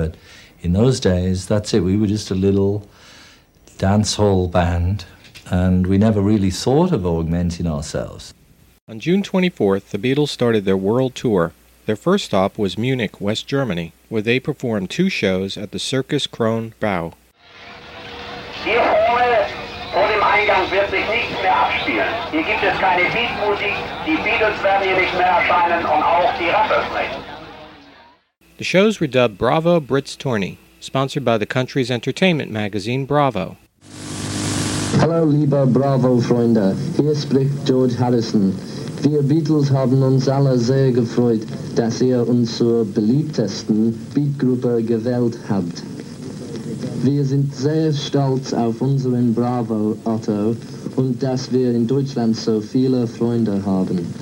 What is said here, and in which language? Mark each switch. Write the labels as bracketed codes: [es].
[en] But in those days, that's it. We were just a little dance hall band, and we never really thought of augmenting ourselves. On June 24th, the Beatles started their world tour. Their first stop was Munich, West Germany, where they performed two shows at the Circus Krone Bau. [de] Hier vorne, vor dem Eingang wird sich nichts mehr abspielen. Hier gibt es keine Beatmusik, die Beatles werden hier nicht mehr erscheinen und auch die Rapper sprechen. [en] The shows were dubbed Bravo Brits Tourney, sponsored by the country's entertainment magazine Bravo. [de] Hallo liebe Bravo-Freunde, hier spricht George Harrison. Wir Beatles haben uns alle sehr gefreut, dass ihr uns zur beliebtesten Beat-Gruppe gewählt habt. Wir sind sehr stolz auf unseren Bravo-Otto und dass wir in Deutschland so viele Freunde haben.